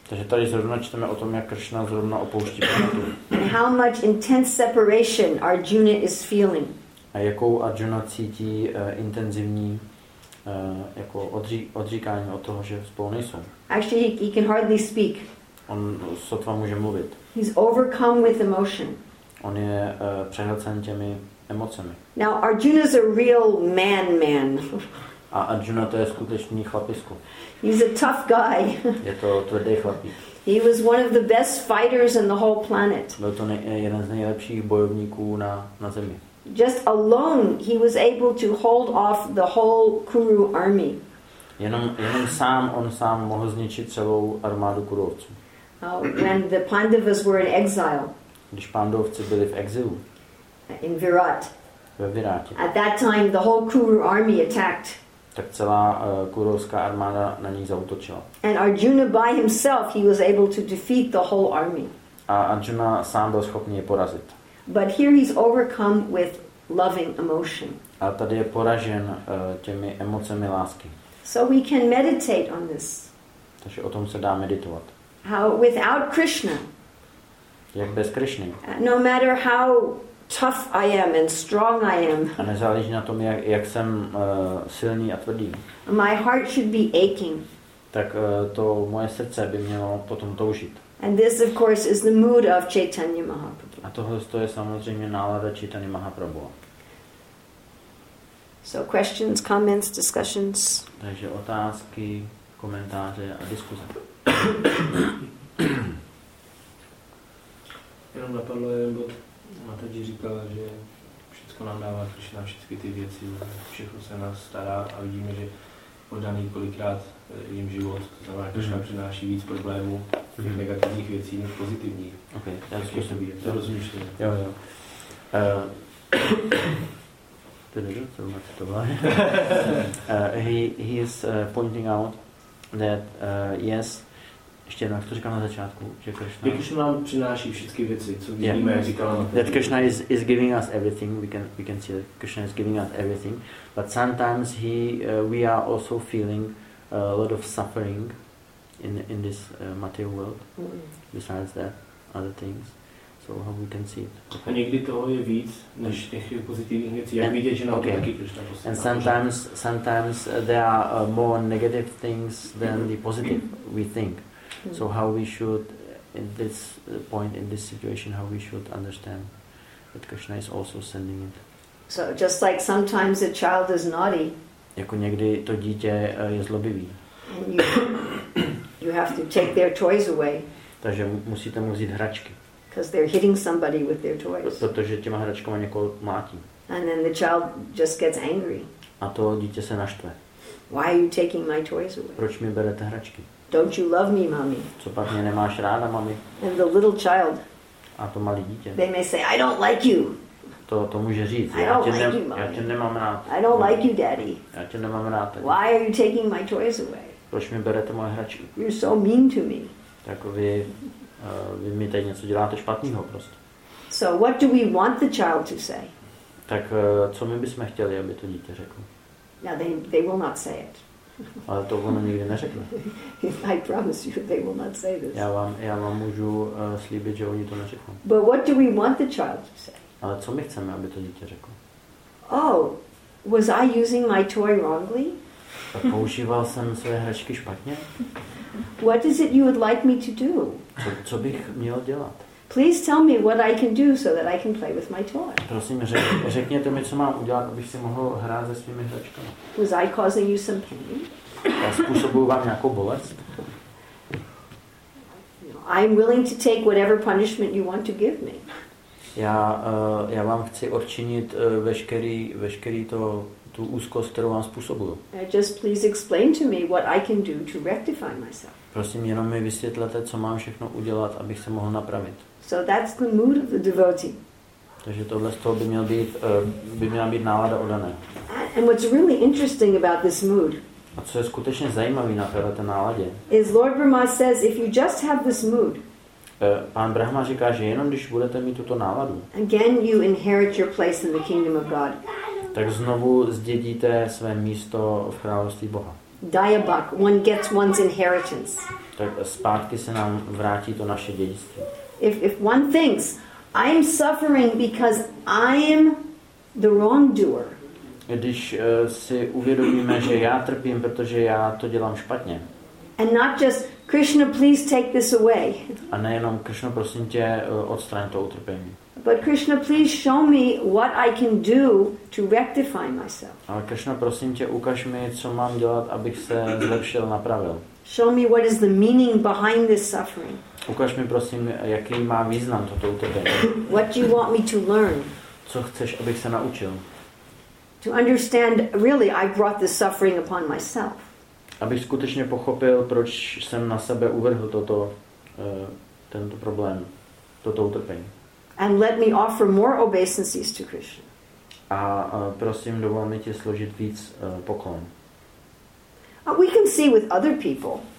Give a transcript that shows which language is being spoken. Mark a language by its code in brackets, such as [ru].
[cs] Takže tady zrovna čteme o tom, jak Krishna zrovna opouští planetu. [en] And how much intense separation Arjuna is feeling. [cs] A jakou Arjuna cítí intenzivní jako odříkání od toho, že spolu nejsou. [en] Actually, he can hardly speak. [cs] On sotva může mluvit. [en] He's overcome with emotion. [cs] On je přehlcen těmi emocemi. [en] Now, Arjuna's a real man. [cs] A Arjuna to je skutečný chlapisko. [en] He's a tough guy. [cs] Je to tvrdý chlapík. [en] He was one of the best fighters in the whole planet. [cs] Byl to jeden z nejlepších bojovníků na zemi. [en] Just alone, he was able to hold off the whole Kuru army. [cs] Jenom sám, on sám mohl zničit celou armádu Kurovců. [en] When the Pandavas were in exile. [cs] Když Pandovci byli v exilu. [en] In Virat. [cs] Ve Virátě. [en] At that time, the whole Kuru army attacked. [cs] Tak celá kurovská armáda na ní zaútočila. [en] And Arjuna by himself, he was able to defeat the whole army. [cs] A Arjuna sám byl schopný je porazit. [en] But here he's overcome with loving emotion. [cs] A tady je poražen těmi emocemi lásky. [en] So we can meditate on this. [cs] Takže o tom se dá meditovat. [en] How without Krishna. [cs] Jak bez Krishny. [en] No matter how tough I am and strong I am. [cs] A nezáleží na tom, jak jsem silný a tvrdý. [en] My heart should be aching. [cs] Tak to moje srdce by mělo potom toužit. [en] And this of course is the mood of Chaitanya Mahaprabhu. [cs] A tohle to je samozřejmě nálada Chaitanya Mahaprabhu. [en] So questions, comments, discussions. [cs] Takže otázky, komentáře a diskuze. Jenom napadlo jeden bod. Mataji říkala, že všechno nám dává Krishna, všechny ty věci, všechno se nás stará a vidíme, že oddaný kolikrát jim život, to znamená, že Krishna přináší víc problémů, těch negativních věcí, než pozitivních. Ok, já zkusím. To rozumíš to. Jo. To je dobře, co máte to vlastně. [en] He is pointing out that yes, [cs] ještě jednou, jak to říkám na začátku, že Krishna... Jak Krishna nám přináší všechny věci, co vidíme, jak říkala na to. [en] That Krishna is giving us everything, we can see that Krishna is giving us everything, but sometimes we are also feeling a lot of suffering in this material world, besides that, other things. So how we can see it? [cs] A někdy toho je víc, než těch pozitivních věcí, jak vidět, že nám okay. To taky Krishna posílá. [en] And sometimes there are more negative things than the positive we think. So how we should, in this point, in this situation, how we should understand that Krishna is also sending it. So just like sometimes a child is naughty. [cs] Jako někdy to dítě je zlobivý. [en] And you have to take their toys away. [cs] Takže musíte mu vzít hračky. [en] Because they're hitting somebody with their toys. [cs] Protože těma hračkama někoho mlátí. [en] And then the child just gets angry. [cs] A to dítě se naštve. [en] Why are you taking my toys away? [cs] Proč mi berete hračky? [en] Don't you love me, mommy? [cs] Co pak mě nemáš ráda, mami? [en] And the little child. [cs] A to malé dítě. [en] They may say, I don't like you. [cs] To může říct. [en] I don't like you, mommy. [cs] Já tě nemám rád. [en] I don't like you, daddy. [cs] Já tě nemám rád, tady. [en] Why are you taking my toys away? [cs] Proč mi berete moje hračky? [en] You're so mean to me. [cs] Tak vy mi tady něco děláte špatného prostě. [en] So what do we want the child to say? [cs] Tak co my bychom chtěli, aby to dítě řeklo? [en] Now they will not say it. [cs] Ale to ono nikdy neřekne. [en] I promise you they will not say this. [cs] Já vám můžu slíbit, že oni to neřeknou. [en] But what do we want the child to say? [cs] Ale co my chceme, aby to dítě řeklo? [en] Oh, was I using my toy wrongly? [cs] Používal jsem své hračky špatně? [en] What is it you would like me to do? [cs] Co bych měl dělat? [en] Please tell me what I can do so that I can play with my toy. [cs] Prosím, řekněte mi, co mám udělat, abych si mohl hrát se svými hračkami. [en] Was I causing you some pain? [cs] Já způsobuju vám nějakou bolest? [en] I'm willing to take whatever punishment you want to give me. [cs] Já vám chci odčinit veškerý to tu úzkost, kterou vám způsobuju. [en] Just please explain to me what I can do to rectify myself. [cs] Prosím, jenom mi vysvětlete, co mám všechno udělat, abych se mohl napravit. [en] So that's the mood of the devotee. [cs] Takže tohle z toho by měla být nálada odané. [en] And what's really interesting about this mood? [cs] A co je skutečně zajímavý na této náladě? [en] Is Lord Brahma says if you just have this mood. [cs] Pán Brahma říká, že jenom když budete mít tuto náladu. [en] Again you inherit your place in the kingdom of God. [cs] Tak znovu zdědíte své místo v království Boha. [en] Dayabak, one gets one's inheritance. [cs] Tak zpátky se nám vrátí to naše dědictví. [en] If one thinks I am suffering because I am the wrongdoer. [cs] Když si uvědomíme, že já trpím, protože já to dělám špatně. [en] And not just Krishna, please take this away. [cs] A nejenom Krishna, prosím tě, odstraň to utrpení. [en] But Krishna, please show me what I can do to rectify myself. [cs] Ale Krishna, prosím tě, ukaž mi, co mám dělat, abych se zlepšil, napravil. [en] Show me what is the meaning behind this suffering. [cs] Ukaž mi, prosím, jaký má význam toto utrpení. [en] What do you want me to learn? [cs] Co chceš, abych se naučil? [en] To understand, really, I brought this suffering upon myself. [cs] Abych skutečně pochopil, proč jsem na sebe uvrhl toto, tento problém, toto utrpení. [en] And let me offer more obeisances to Krishna. [cs] A prosím, dovol mi ti složit víc poklon. [en] We can see with other people.